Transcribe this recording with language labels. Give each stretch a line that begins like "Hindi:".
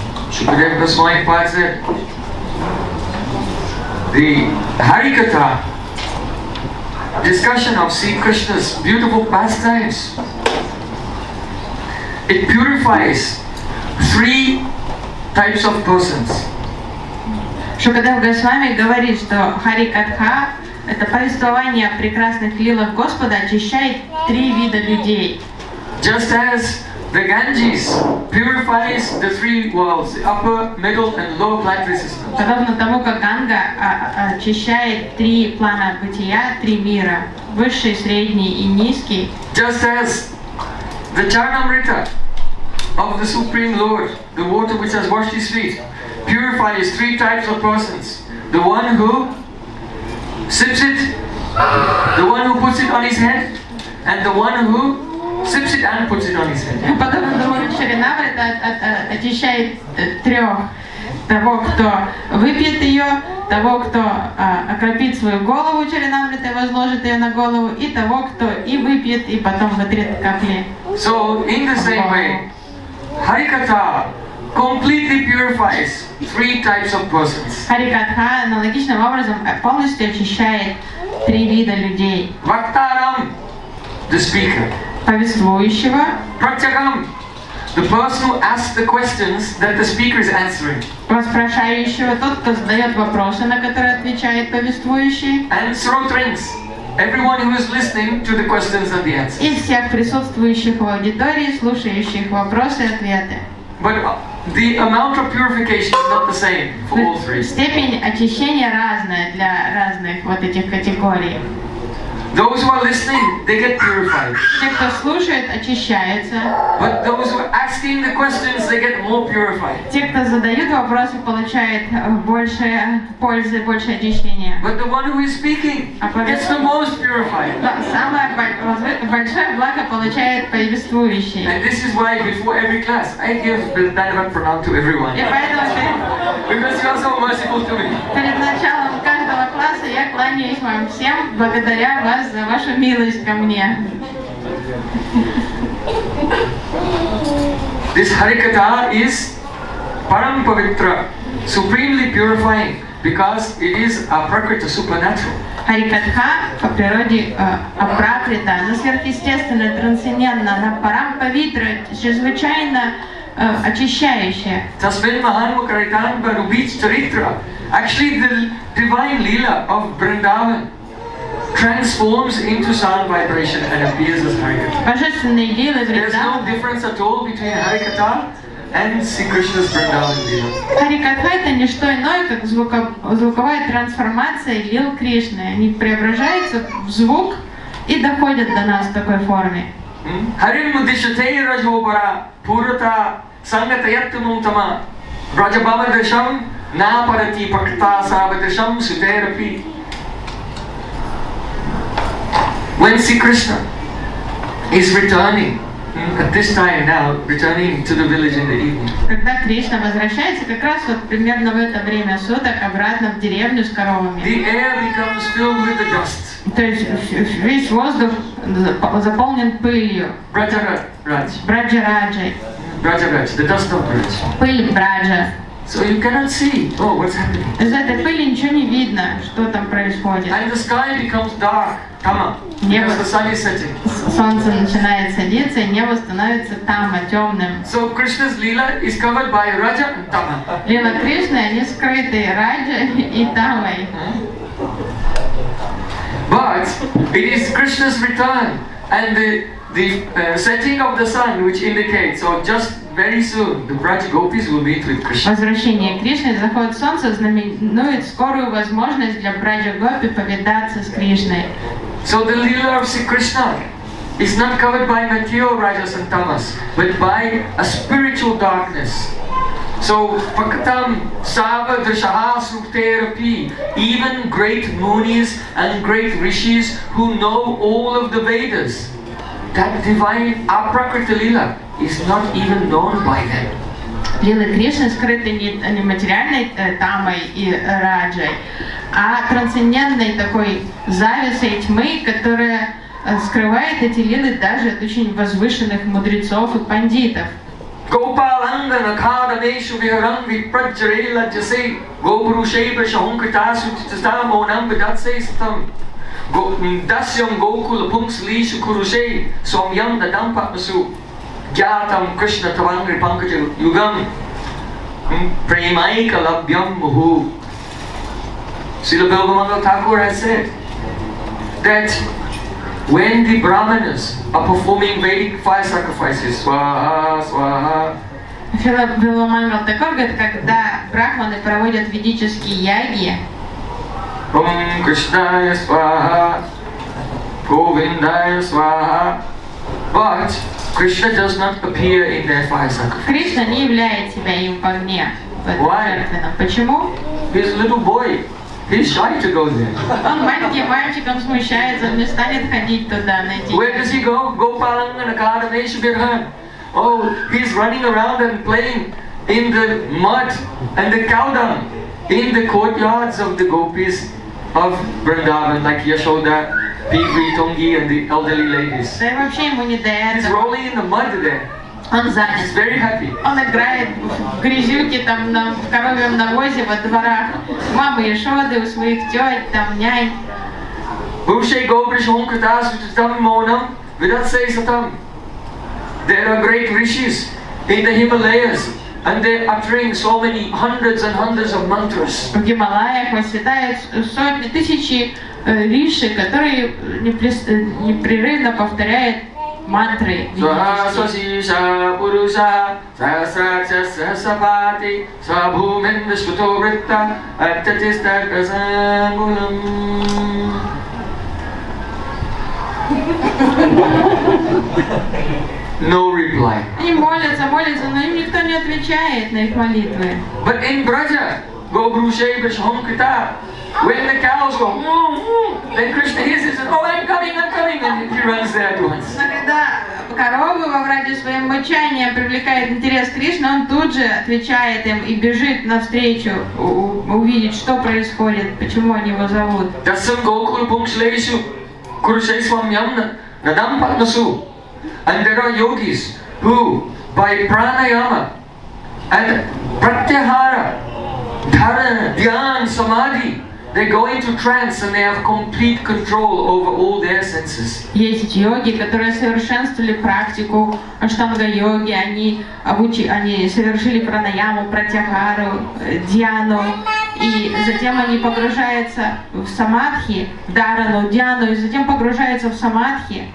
English: Shukadev Goswami Pad said, the Harikatha, discussion of Sri Krishna's beautiful pastimes, it purifies three types of persons.
Russian: Шукада Госвами говорит, что Хари Катха это повествование о прекрасных лилах Господа очищает три вида людей.
English: Just as the Ganges purifies the three worlds, the upper, middle and lower planetary systems.
Russian: Подобно тому, как Ганга очищает три плана бытия, три мира, высший, средний и низкий.
English: Just as the Charanamrita of the Supreme Lord, the water which has washed his feet, purifies three types of persons. The one who sips it, the one who puts it on his head, and the one who sips it and puts it on his head.
Russian: Потом Чаринамрита очищает трех. Того, кто выпьет ее, того, кто окропит свою голову Чаринамритой, возложит ее на голову, и того, кто и выпьет, и потом вытрет капли.
English: So, in the same way, Харикатха completely purifies three types of persons.
Russian: Харикатха аналогичным образом полностью очищает три вида людей.
English: Вактарам, the speaker.
Russian: Повествующего.
English: Пратягам, the person who asks the questions that the speaker is answering.
Russian: Воспрашающего, тот, кто задает вопросы, на которые отвечает повествующий.
English: And Сротринс, everyone who is listening to the questions and the answers.
Russian: И всех присутствующих в аудитории, слушающих вопросы и ответы.
English: But the amount of purification is not the same for all three.
Russian: Степень очищения разная для разных вот этих категорий.
English: Those who are listening, they get purified.
Russian: Те, кто слушает, очищаются.
English: But those who are asking the questions, they get more purified.
Russian: Те, кто задают вопросы, получают больше пользы, больше очищения.
English: But the one who is speaking gets the most purified.
Russian: Самое большое благо получает повествующий.
English: And this is why before every class, I give Dhanavat Pranam to everyone. Because you are so merciful to me.
Russian: Перед началом каждого класса я кланяюсь вам всем, благодаря вам. За вашу милость ко мне.
English: This Harikatha is param pavitra, supremely purifying, because it is a prakriti supernatural.
Russian: Харикатха по природе апракрита, она сверхъестественна, трансцендентна, она парам павитра, чрезвычайно очищающая.
Sanskrit: Tasmin mahanu karitam barubich charitra.
English: Actually, the divine lila of Vrindavan transforms into sound vibration and appears as Harikatha. There's no difference at all between Harikatha and Sri Krishna's Vrindavan Lila.
Russian: Харикатха это не что иное, как звуковая трансформация лил Кришны. Они преображаются в звук и доходят до нас в такой форме.
Sanskrit: Харим дишате рожвобара пурата сангатаяттумум тама рожабавадешам напарати пакта савадешам сутерапи.
English: When Sri Krishna is returning at this time now, returning to the village in the evening.
Russian: Когда Кришна возвращается как раз вот примерно в это время суток обратно в деревню с коровами.
English: The air becomes filled with the dust.
Russian: То есть весь воздух заполнен пылью.
English: Браджа-радж. The dust of Braj.
Russian: Пыль Браджа.
English: So you cannot see. Oh, what's happening?
Russian: Из этой пыли ничего не видно, что там происходит.
English: And the sky becomes dark. Небо, the sun is setting.
Russian: Солнце начинает садиться, и небо становится тама, темным.
English: So Krishna's lila is covered by Raja and Tama.
Russian: Лила Кришны, они скрыты Раджа и Тамой.
English: But it is Krishna's return and the setting of the sun which indicates, or just very soon, the Braj Gopis will meet with Krishna.
Russian: Возвращение Кришны, заход солнца знаменует скорую возможность для Браджа Гопи повидаться с Кришной.
English: So the lila of Sri Krishna is not covered by material rajas and tamas, but by a spiritual darkness.
Sanskrit: So paktam sava drishaha sukterapi,
English: even great munis and great rishis who know all of the Vedas, that divine aprakriti lila is not even known by them.
Russian: Лилы Кришны скрыты не материальной тамой и раджой, а трансцендентной такой завесой тьмы, которая скрывает эти лилы даже от очень возвышенных мудрецов и пандитов.
Sanskrit: Gopalangana kadameshu viharam vipracharela jase gopurushaiva shahunkritasu tisthamonam vidatsai satam dasyam gokula pungsleishu kurushai swamyam dadam patmasu. ज्ञातं कृष्ण तवांग पंकज युगम प्रेमैक लभ्यं मुहु.
English: Shri Govind Thakur has said that when the brahmanas are performing Vedic fire sacrifices,
Sanskrit: swaha swaha.
Russian: Шрила Беломангал Такур говорит, когда брахманы проводят ведические яги.
Sanskrit: Ом Кришнае сваха, Говиндае сваха.
English: But Krishna does not appear in their fire sacrifice.
Russian: Кришна не является себя им в огне.
English: Why?
Russian: Почему?
English: He's a little boy. He's shy to go there.
Russian: Он маленький мальчик, он смущается, он не станет ходить туда на эти.
English: Where does he go?
Sanskrit: Gopalanga Nakara Veshubirha.
English: Oh, he's running around and playing in the mud and the cow dung in the courtyards of the gopis of Vrindavan, like Yashoda, Pigri, Tongi, and the elderly ladies. He's rolling in the mud there.
Russian: Он занят.
English: He's very happy.
Russian: Он играет в грязюке там на коровьем навозе во дворах. Мамы Яшоды у своих теть, там нянь. Бывшие гопиши он катался там моном, видать сейса там.
English: There are great rishis in the Himalayas, and they are uttering so many hundreds and hundreds of mantras.
Russian: В Гималаях восседают сотни тысячи риши, которые непрерывно повторяют мантры.
Sanskrit: Сахасиша Пуруша Сахасрача Сахасапати Сабхумен Вишвато Ритта Аттатиста Казангулам.
English: No reply.
Russian: Они молятся, молятся, но им никто не отвечает на их молитвы.
English: But in Braja,
Sanskrit: Gobrushay Bishomkita,
English: when the cows go, then Krishna hears it and says, oh, I'm coming, and he runs there at once.
Russian: Но когда коровы во враде своим мычанием привлекает интерес Кришны, он тут же отвечает им и бежит навстречу, увидеть, что происходит, почему они его зовут.
Sanskrit: Дасам Гокуру Пункшлейшу, Курушей Свамьям, Надам Патнасу.
English: And there are yogis who, by pranayama and pratyahara, dharana, dhyana, samadhi, they go into trance and they have complete control over all their senses.
Russian: Есть йоги, которые совершенствовали практику аштанга йоги. Они совершили пранаяму, пратьяхару, дьяну, и затем они погружаются в самадхи, в дарану, дьяну, и затем погружаются в самадхи.